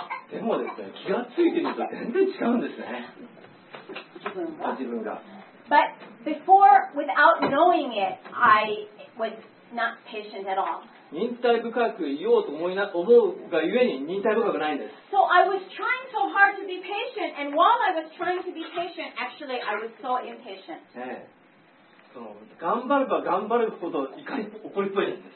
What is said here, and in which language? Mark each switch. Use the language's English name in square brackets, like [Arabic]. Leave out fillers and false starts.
[Japanese] でもですね、気がついてみると全然違うんですね。自分が。 [English] But before, without knowing it, I was not patient at all. [Japanese] 忍耐深くいようと思うがゆえに忍耐深くないんです。 [English] So I was trying so hard to be patient, and while I was trying to be patient, actually I was so impatient. [Japanese] ええ、その頑張れば頑張るほど怒りっぽいんです。